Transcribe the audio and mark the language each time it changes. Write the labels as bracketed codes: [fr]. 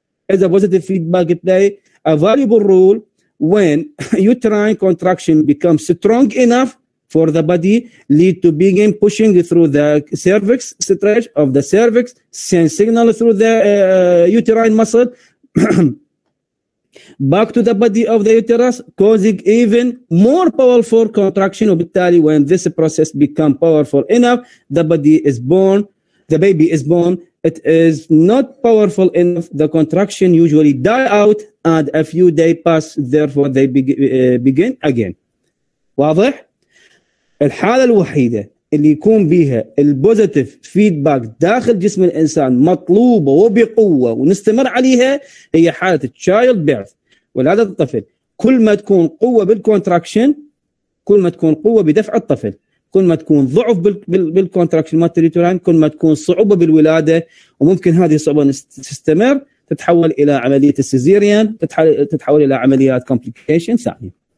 [en] إذا positive feedback play available role when uterine contraction become strong enough for the body lead to begin pushing through the cervix stretch of the cervix send signal through the uterine muscle back to the body of the uterus causing even more powerful contraction. [ar] وبالتالي [en] when this process become powerful enough the body is born, the baby is born, it is not powerful enough, the contraction usually die out and a few day pass therefore they begin again. [ar] واضح؟ الحالة الوحيدة اللي يكون بها البوزيتيف فيدباك داخل جسم الإنسان مطلوبة وبقوة ونستمر عليها هي حالة child birth، ولادة الطفل. كل ما تكون قوة بالكونتراكشن، كل ما تكون قوة بدفع الطفل، كل ما تكون ضعف بالكونتراكشن ماتريتوران، كل ما تكون صعوبة بالولادة، وممكن هذه الصعوبة تستمر تتحول إلى عملية السيزيريان، تتحول إلى عمليات كومبليكيشن ثانية.